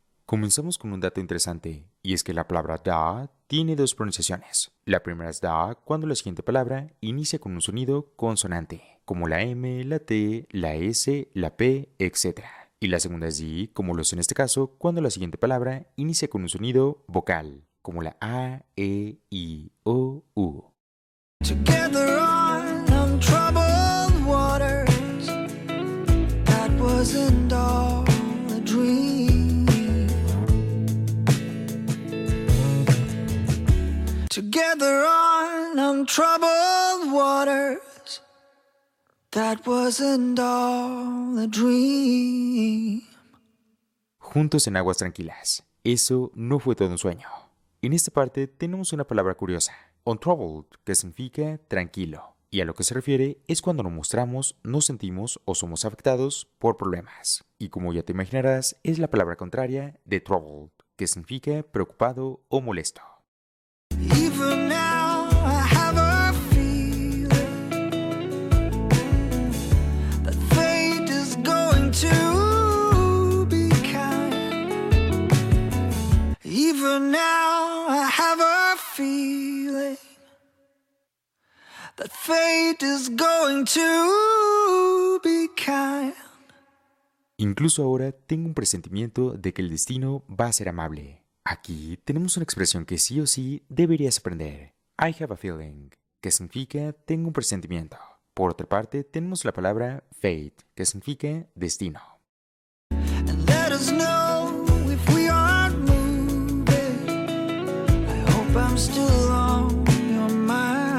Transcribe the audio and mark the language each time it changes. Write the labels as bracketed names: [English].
[Spanish] Comenzamos con un dato interesante, y es que la palabra da tiene dos pronunciaciones. La primera es da cuando la siguiente palabra inicia con un sonido consonante. como la M, la T, la S, la P, etc. Y la segunda es I, como lo es en este caso, cuando la siguiente palabra inicia con un sonido vocal, como la A, E, I, O, U. [English] Together on untroubled waters, that wasn't all a dream. Together on untroubled waters, that wasn't all a dream. [Spanish] Juntos en aguas tranquilas, eso no fue todo un sueño. En esta parte tenemos una palabra curiosa, untroubled, que significa tranquilo. Y a lo que se refiere es cuando nos mostramos, nos sentimos o somos afectados por problemas. Y como ya te imaginarás, es la palabra contraria de troubled, que significa preocupado o molesto. [English] Even now I have a feeling that fate is going to be kind. Even now I have a feeling that fate is going to be kind. [Spanish] Incluso ahora tengo un presentimiento de que el destino va a ser amable. Aquí tenemos una expresión que sí o sí deberías aprender. [English] I have a feeling, [Spanish] que significa tengo un presentimiento. Por otra parte, tenemos la palabra fate, que significa destino. [English] And let us know if we aren't moving. I hope I'm still on your mind.